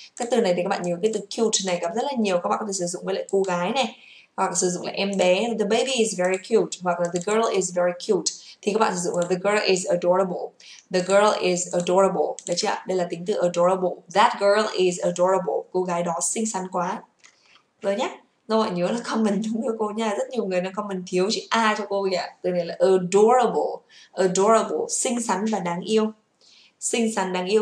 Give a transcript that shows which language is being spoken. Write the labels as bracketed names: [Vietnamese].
[Vietnamese] Cái từ này thì các bạn nhớ, cái từ cute này gặp rất là nhiều. Các bạn có thể sử dụng với lại cô gái này, hoặc sử dụng là em bé. [English] The baby is very cute, hoặc là the girl is very cute. [Vietnamese] Thì các bạn sử dụng là [English] the girl is adorable. The girl is adorable. [Vietnamese] Được chưa? Đây là tính từ [English] adorable. That girl is adorable. [Vietnamese] Cô gái đó xinh xắn quá. Rồi nhé. Rồi nhớ là comment đúng cho cô nha. Rất nhiều người đang comment thiếu chữ A cho cô kìa. Từ này là adorable. Adorable. Xinh xắn và đáng yêu. Xinh xắn đáng yêu.